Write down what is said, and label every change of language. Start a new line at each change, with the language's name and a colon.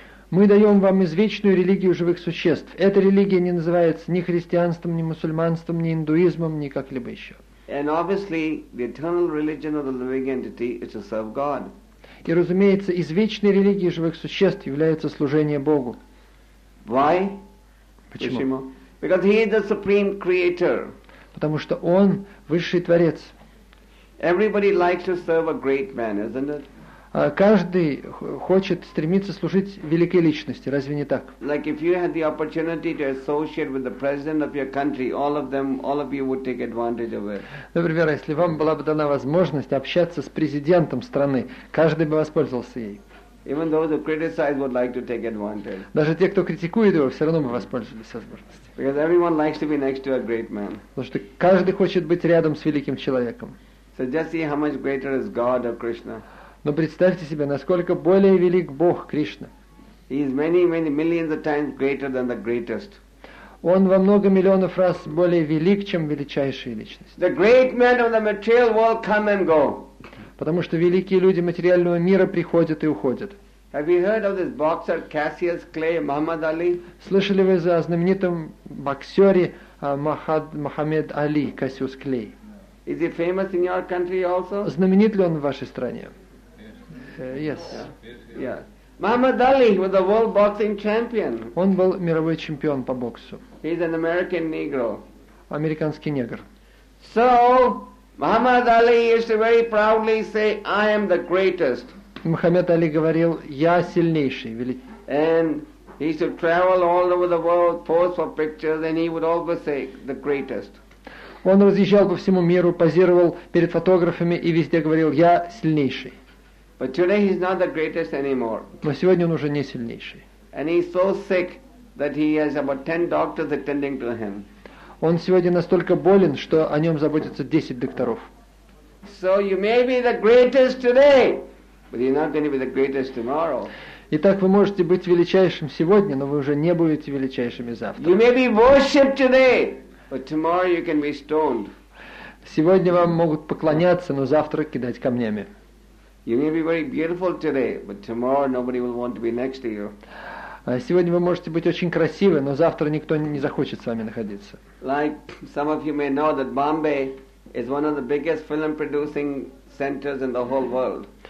Russian: Мы даем вам извечную религию живых существ. Эта религия не называется ни христианством, ни мусульманством, ни индуизмом, ни как-либо еще.
English: And obviously, the eternal religion of the living entity is to serve God.
Russian: И, разумеется, извечной религией живых существ является служение Богу.
English: Why?
Russian: Почему?
English: Because He is the supreme creator.
Russian: Потому что Он высший творец.
English: Everybody likes to serve a great man, isn't it?
Russian: Каждый хочет стремиться служить великой личности, разве не так?
English: Like if you had the opportunity to associate with the president of your country, all of you would take advantage of it.
Russian: Например, если вам была бы дана возможность общаться с президентом страны, каждый бы воспользовался ей.
English: Even those who criticize would like to take advantage.
Russian: Даже те, кто критикует его, все равно бы воспользовались возможностью.
English: Because everyone likes to be next to a great man.
Russian: Потому что каждый хочет быть рядом с великим человеком.
English: So just see how much greater is God or Krishna.
Russian: Но представьте себе, насколько более велик Бог Кришна.
English: He is many, many millions of times greater than the greatest.
Russian: Он во много миллионов раз более велик, чем величайшая личность.
English: The great men of the material world come and go.
Russian: Потому что великие люди материального мира приходят и уходят.
English: Have you heard of this boxer Cassius Clay, Muhammad Ali?
Russian: Слышали вы о знаменитом боксере Мухаммед Али, Кассиус Клей?
English: Is he famous in your country also?
Russian: Знаменит ли он в вашей стране?
English: Yes. Yeah. Muhammad Ali was a world boxing champion.
Russian: Он был мировой чемпион по боксу.
English: He's an American Negro.
Russian: Американский негр.
English: So Muhammad Ali used to very proudly say, "I am the greatest."
Russian: Мухаммед Али говорил, я сильнейший, великий.
English: And he used to travel all over the world, pose for pictures, and he would always say, "The greatest."
Russian: Он разъезжал по всему миру, позировал перед фотографами и везде говорил, я сильнейший.
English: But today he's not the greatest anymore.
Russian: Но сегодня он уже не сильнейший.
English: And he's so sick that he has about 10 doctors attending to him.
Russian: Он сегодня настолько болен, что о нем заботятся 10 докторов.
English: So you may be the greatest today, but you're not going to be the greatest tomorrow.
Russian: Итак, вы можете быть величайшим сегодня, но вы уже не будете величайшими завтра.
English: You may be worshipped today, but tomorrow you can be stoned.
Russian: Сегодня вам могут поклоняться, но завтра кидать камнями.
English: You may be very beautiful today, but tomorrow nobody will want to be next to you.
Russian: Сегодня вы можете быть очень красивы, но завтра никто не захочет с вами находиться.
English: Like some of you may know that Bombay is one of the biggest film producing centers in the whole world.